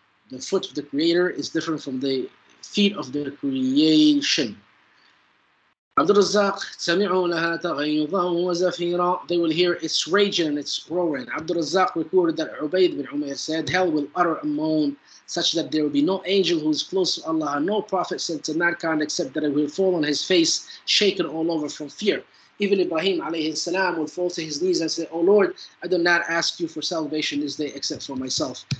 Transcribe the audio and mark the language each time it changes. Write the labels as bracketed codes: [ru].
[en] The foot of the creator is different from the feet of the creation. [ar] Abdul Razzaq, سَمِعُوا لَهَا تَغَيُّضًا وَزَفِيرًا. [en] They will hear its raging and its roaring. Abdul Razzaq recorded that Ubayd bin Umayr said, hell will utter a moan such that there will be no angel who is close to Allah, no prophet sent to mankind, except that it will fall on his face, shaken all over from fear. Even Ibrahim alayhi salam will fall to his knees and say, O Lord, I do not ask you for salvation this day except for myself.